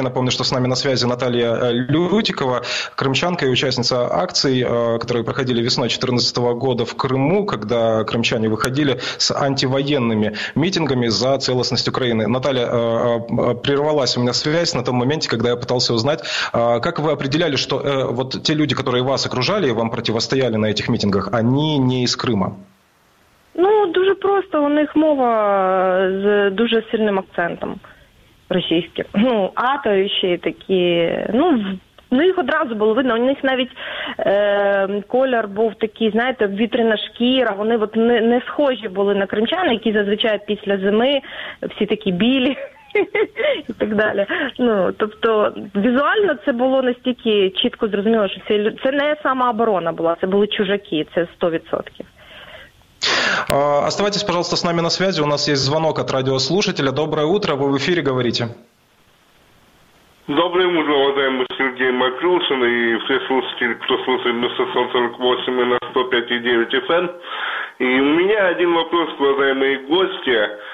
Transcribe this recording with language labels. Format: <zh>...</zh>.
<ru>Напомню, что с нами на связи Наталья Лютикова, крымчанка и участница акций, которые проходили весной 2014 года в Крыму, когда крымчане выходили с антивоенными митингами за целостность Украины. Наталья, прервалась у меня связь на том моменте, когда я пытался узнать, как вы определяли, что вот те люди, которые вас окружали и вам противостояли на этих митингах, они не из Крыма?</ru> <uk>Ну, дуже просто, у них мова з дуже сильним акцентом російським. Ну, атовіші такі, ну, Ну, їх одразу було видно. У них навіть колір був такий, знаєте, вітряна шкіра. Вони от не схожі були на кримчан, які зазвичай після зими всі такі білі і так далі. Ну, тобто візуально це було настільки чітко зрозуміло, що це не сама оборона була, це були чужаки, це 100%.</uk> <ru>Оставайтесь, пожалуйста, с нами на связи. У нас есть звонок от радиослушателя. Доброе утро. Вы в эфире говорите. Доброе утро, уважаемый Сергей Макрюшин и все слушатели, кто слушает МСО 48 и на 105.9 FM. И у меня один вопрос, уважаемые гости.</ru>